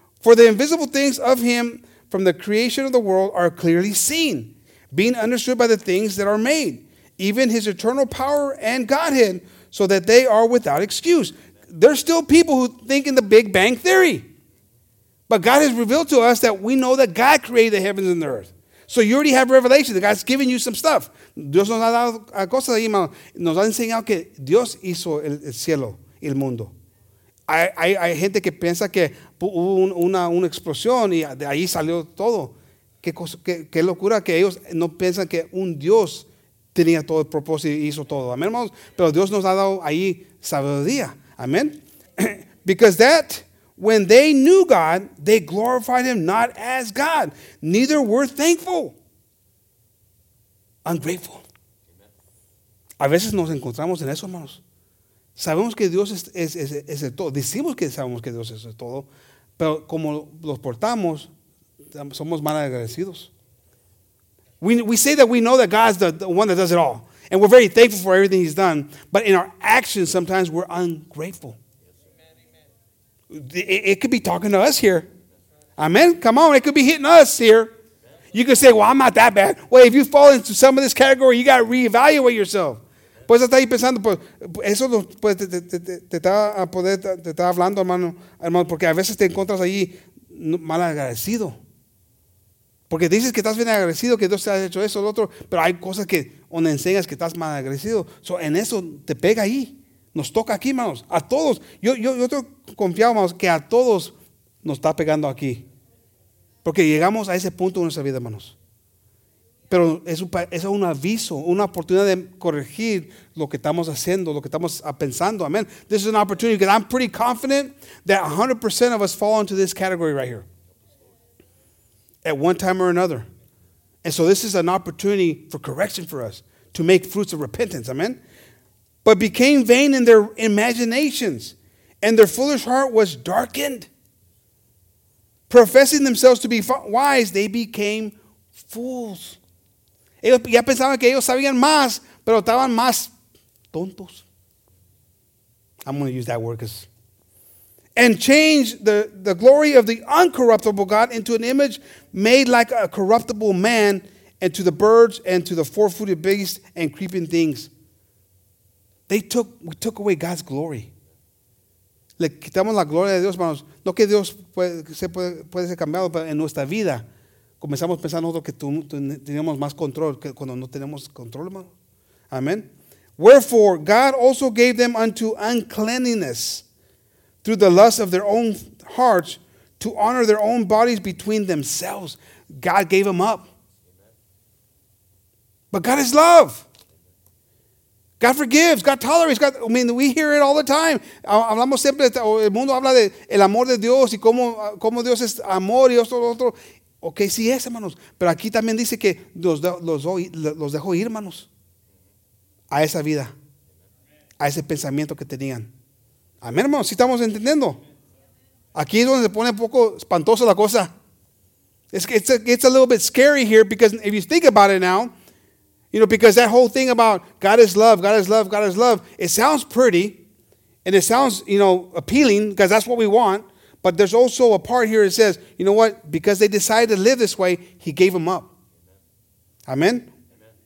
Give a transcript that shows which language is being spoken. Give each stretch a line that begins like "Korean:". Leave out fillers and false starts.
English: For the invisible things of him from the creation of the world are clearly seen, being understood by the things that are made, even his eternal power and Godhead, so that they are without excuse. There's still people who think in the Big Bang Theory. But God has revealed to us that we know that God created the heavens and the earth. So you already have revelation. That God's given you some stuff.
Spanish: Dios nos ha dado cosas ahí, hermano. Nos ha enseñado que Dios hizo el cielo, el mundo. Hay gente que piensa que hubo una explosión y de ahí salió todo. Qué locura que ellos no piensan que un Dios tenía todo el propósito y hizo todo. Amén, hermanos. Pero Dios nos ha dado ahí sabiduría. Amén.
English: Because that, when they knew God, they glorified him not as God, neither were thankful.
Spanish: Ungrateful. A veces nos encontramos en eso, hermanos. Sabemos que Dios es el todo. Decimos que sabemos que Dios es el todo. Pero como los portamos, somos mal agradecidos.
English: We say that we know that God's the one that does it all. And we're very thankful for everything he's done. But in our actions, sometimes we're ungrateful. It could be talking to us here. Amen. Come on. It could be hitting us here. You could say, well, I'm not that bad. Well, if you fall into some of this category, you got to reevaluate yourself.
Spanish: Pues está ahí pensando, pues eso pues, te está hablando, hermano, porque a veces te encuentras ahí mal agradecido. Porque dices que estás bien agradecido, que Dios te ha hecho eso, lo otro, pero hay cosas que donde enseñas que estás mal agradecido. So, en eso te pega ahí. Nos toca aquí, hermanos, a todos. Yo estoy confiado, hermanos, que a todos nos está pegando aquí. Porque llegamos a ese punto en nuestra vida, hermanos. Pero es un aviso, una oportunidad de corregir lo que estamos haciendo, lo que estamos pensando. Amen.
English: This is an opportunity because I'm pretty confident that 100% of us fall into this category right here at one time or another. And so this is an opportunity for correction for us to make fruits of repentance. Amen. But became vain in their imaginations, and their foolish heart was darkened. Professing themselves to be wise, they became fools.
Spanish: Ellos ya pensaban que ellos sabían más, pero estaban más tontos.
English: I'm going to use that word because... And changed the glory of the uncorruptible God into an image made like a corruptible man, and to the birds and to the four-footed beasts and creeping things. We took away God's glory.
Spanish: Le quitamos la gloria de Dios, hermanos. No que Dios puede ser cambiado, pero en nuestra vida comenzamos a pensar nosotros que tenemos más control que cuando no tenemos control, hermano. Amen.
English: Wherefore, God also gave them unto uncleanness through the lust of their own hearts to honor their own bodies between themselves. God gave them up. But God is love. God forgives. God tolerates. God, I mean, we hear it all the time.
Spanish: Hablamos siempre, o el mundo habla de el amor de Dios y cómo Dios es amor y esto, lo otro. Ok, sí es, hermanos. Pero aquí también dice que los dejó ir, hermanos, a esa vida, a ese pensamiento que tenían. Amén, hermanos, sí estamos entendiendo. Aquí es donde se pone un poco espantosa la cosa.
English: It's a little bit scary here because if you think about it now, you know, because that whole thing about God is love, God is love, God is love, it sounds pretty and it sounds, you know, appealing because that's what we want. But there's also a part here that says, you know what? Because they decided to live this way, he gave them up. Amen? Amen.